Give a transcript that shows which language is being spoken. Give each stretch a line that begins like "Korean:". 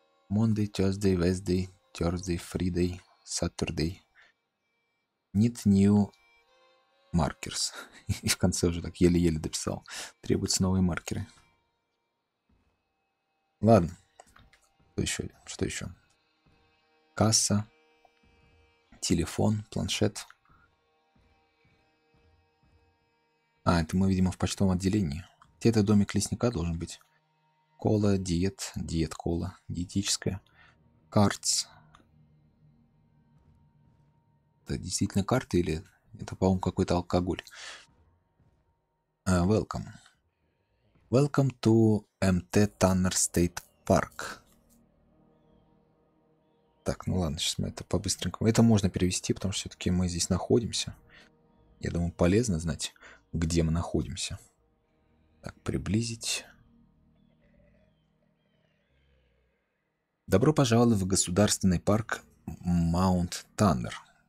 English: Monday, Tuesday, Wednesday, Thursday, Friday, Saturday. Need new markers.
Russian: И в конце уже так еле-еле дописал. Требуются новые маркеры. Ладно. Что еще? Что еще? Касса. Телефон, планшет. А, это мы, видимо, в почтовом отделении. Где-то домик лесника должен быть. Кола, диет, диет-кола, диетическая. Карц. Это действительно карты или это, по-моему, какой-то алкоголь?
English: Welcome. Welcome to MT Tanner State Park.
Russian: Так, ну ладно, сейчас мы это по-быстренькому. Это можно перевести, потому что все-таки мы здесь находимся. Я думаю, полезно знать, где мы находимся. Так, приблизить. Добро пожаловать в государственный парк Маунт Таннер.